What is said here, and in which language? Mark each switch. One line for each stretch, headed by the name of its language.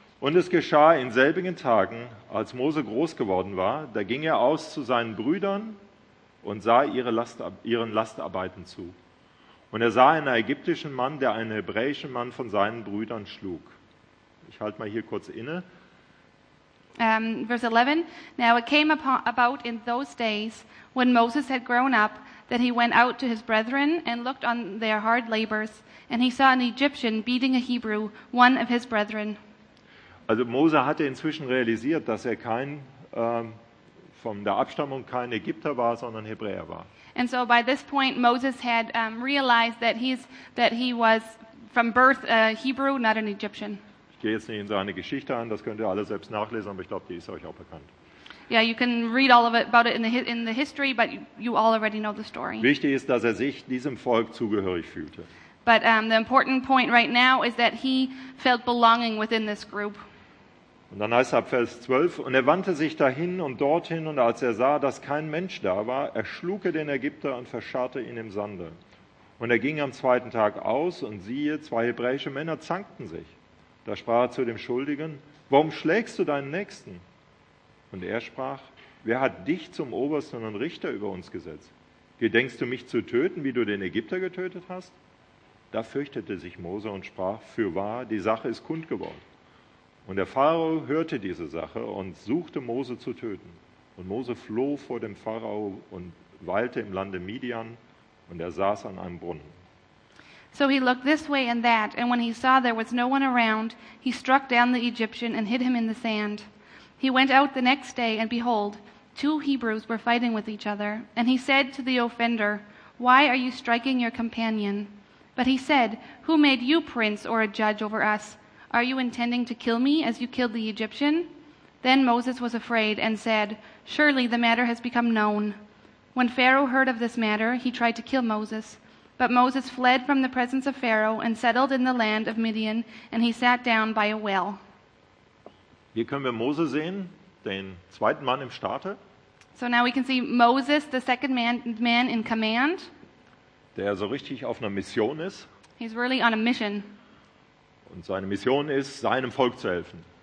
German: Und es geschah in selbigen Tagen, als Mose groß geworden war, da ging er aus zu seinen Brüdern und sah ihren Lastarbeiten zu. Und er sah einen ägyptischen Mann, der einen hebräischen Mann von seinen Brüdern schlug. Ich halte mal hier kurz inne. Verse 11.
English: Now it came about in those days, when Moses had grown up, that he went out to his brethren and looked on their hard labors. And he saw an Egyptian beating a Hebrew, one of his brethren.
German: Also Mose hatte inzwischen realisiert, dass er kein von der Abstammung kein Ägypter war, sondern Hebräer war.
English: And so by this point Moses had realized that he was from birth a Hebrew, not an Egyptian.
German: Ich gehe jetzt nicht in seine Geschichte an, das könnt ihr alle selbst nachlesen, aber ich glaube, die ist euch auch bekannt.
English: Yeah, you can read all of it about it in the history, but you all already know the story.
German: Wichtig ist, dass er sich diesem Volk zugehörig fühlte.
English: But the important point right now is that he felt belonging within this group.
German: Und dann heißt es ab Vers 12, und er wandte sich dahin und dorthin, und als er sah, dass kein Mensch da war, erschlug er den Ägypter und verscharrte ihn im Sande. Und er ging am zweiten Tag aus, und siehe, zwei hebräische Männer zankten sich. Da sprach er zu dem Schuldigen, warum schlägst du deinen Nächsten? Und er sprach, wer hat dich zum Obersten und Richter über uns gesetzt? Gedenkst du mich zu töten, wie du den Ägypter getötet hast? Da fürchtete sich Mose und sprach, fürwahr, die Sache ist kund geworden. Und der Pharao hörte diese Sache und suchte Mose zu töten. Und Mose floh vor dem Pharao und weilte im Lande Midian, und er saß an einem Brunnen.
English: So he looked this way and that, and when he saw there was no one around, he struck down the Egyptian and hid him in the sand. He went out the next day, and behold, two Hebrews were fighting with each other. And he said to the offender, why are you striking your companion? But he said, who made you prince or a judge over us? Are you intending to kill me as you killed the Egyptian? Then Moses was afraid and said, surely the matter has become known. When Pharaoh heard of this matter, he tried to kill Moses. But Moses fled from the presence of Pharaoh and settled in the land of Midian, and he sat down by a well.
German: Hier können wir Mose sehen, den zweiten Mann im Staate.
English: So now we can see Moses, the second man in command.
German: Der so richtig auf einer Mission ist.
English: He's really on a mission.
German: Und seine Mission ist, seinem Volk zu helfen.